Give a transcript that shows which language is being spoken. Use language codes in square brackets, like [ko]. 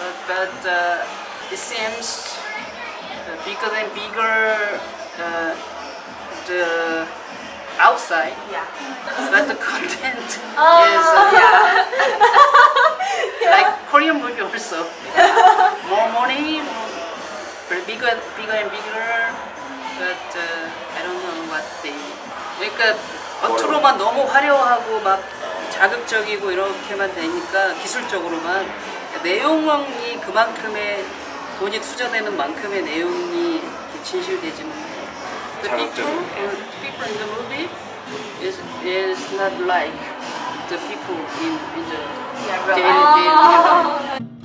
[en] But it seems bigger and bigger the outside. Yeah. But the content is like Korean movie also. More money, bigger and bigger, but I don't know what they. [ko] 그러니까 겉으로만 너무 화려하고 막 자극적이고 이렇게만 되니까 기술적으로만 내용이 그만큼의 돈이 투자되는 만큼의 내용이 진실되지는. 자극적인. [en] People in the movie is not like the people in the daily life.